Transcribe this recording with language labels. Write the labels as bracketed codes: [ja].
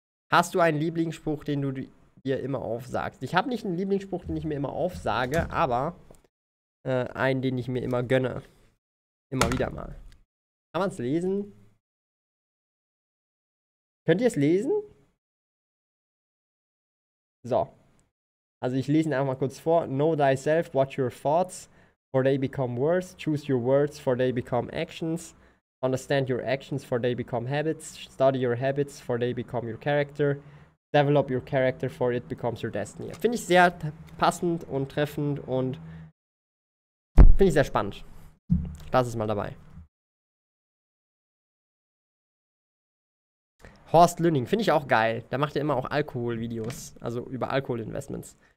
[de] Hast du einen Lieblingsspruch, den du dir immer aufsagst? Ich habe nicht einen Lieblingsspruch, den ich mir immer aufsage, aber einen, den ich mir immer gönne. Immer wieder mal. Kann man es lesen? Könnt ihr es lesen? So, also ich lese ihn einfach mal kurz vor. [en] Know thyself, watch your thoughts, for they become words. Choose your words, for they become actions. Understand your actions, for they become habits. Study your habits, for they become your character. Develop your character, for it becomes your destiny. [de] Finde ich sehr passend und treffend und finde ich sehr spannend. Lass es mal dabei. Horst Lünning, finde ich auch geil. Da macht er immer auch Alkoholvideos, also über Alkoholinvestments.